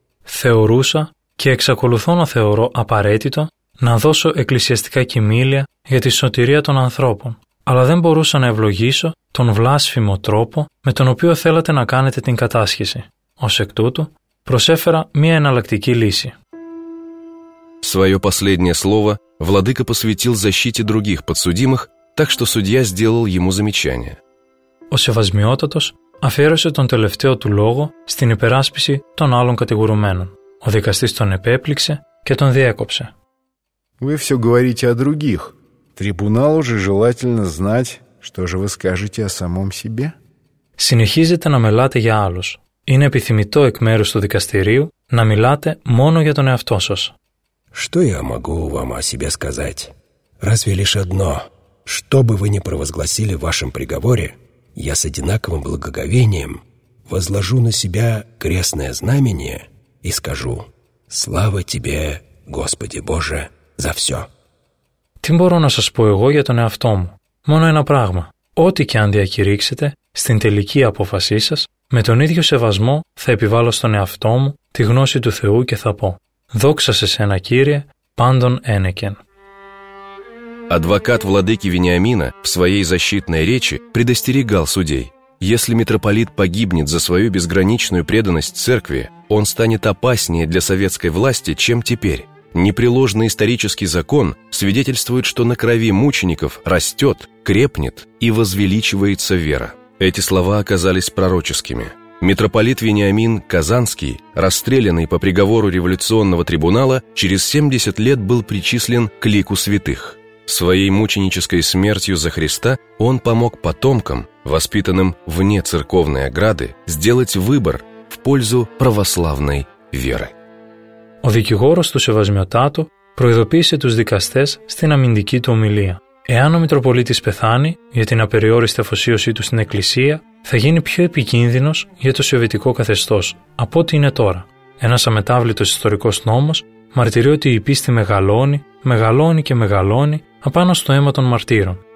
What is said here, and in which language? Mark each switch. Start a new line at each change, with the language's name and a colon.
Greek: Θεωρούσα και εξακολουθώ να θεωρώ απαραίτητο να δώσω εκκλησιαστικά κοιμήλια για τη σωτηρία των ανθρώπων, αλλά δεν μπορούσα να ευλογήσω τον βλάσφημο τρόπο με τον οποίο θέλατε να κάνετε την κατάσχεση. Ως εκ τούτου, προσέφερα μία εναλλακτική λύση.
Russian: Своё последнее слово владыка посвятил защите других подсудимых, так что судья сделал ему замечание.
Greek: ο Σεβασμιότατος αφιέρωσε τον τελευταίο του λόγο στην υπεράσπιση των άλλων κατηγορουμένων. Ο δικαστής τον επέπληξε και τον διέκοψε.
Russian: «Вы все говорите о других. Трибуналу же желательно знать, что же вы скажете о самом себе».
Greek: Συνεχίζετε να μιλάτε για άλλους. Είναι επιθυμητό εκ μέρους του δικαστηρίου να μιλάτε μόνο για τον εαυτό σας.
Russian: «Что я могу вам о себе сказать? Разве лишь одно? Что бы вы ни провозгласили в вашем приговоре, я с одинаковым благоговением возложу на себя крестное знамение и скажу «Слава тебе, Господи Боже, за все».
Greek: Τι μπορώ να σας πω εγώ για τον εαυτό μου? Μόνο ένα πράγμα. Ό,τι και αν διακηρύξετε, στην τελική απόφασή σας, με τον ίδιο σεβασμό θα επιβάλλω στον εαυτό μου τη γνώση του Θεού και θα πω «Δόξα σε σένα, Κύριε, πάντων ένεκεν».
Russian: Адвокат владыки Вениамина в своей защитной речи предостерегал судей. Если митрополит погибнет за свою безграничную преданность церкви, он станет опаснее для советской власти, чем теперь. Непреложный исторический закон свидетельствует, что на крови мучеников растет, крепнет и возвеличивается вера. Эти слова оказались пророческими. Митрополит Вениамин Казанский, расстрелянный по приговору революционного трибунала, через 70 лет был причислен к лику святых. Своей мученической смертью за Христа он помог потомкам, воспитанным вне церковной ограды, сделать выбор в пользу православной веры.
Greek: Ο δικηγόρος του Σεβασμιωτάτου προειδοποίησε τους δικαστές στην αμυντική του ομιλία. Εάν ο Μητροπολίτης πεθάνει για την απεριόριστη αφοσίωσή του στην Εκκλησία, θα γίνει πιο επικίνδυνος για το σοβιετικό καθεστώς από ό,τι είναι τώρα. Ένας αμετάβλητος ιστορικός νόμος μαρτυρεί ότι η πίστη μεγαλώνει, μεγαλώνει και μεγαλώνει απάνω στο αίμα των μαρτύρων.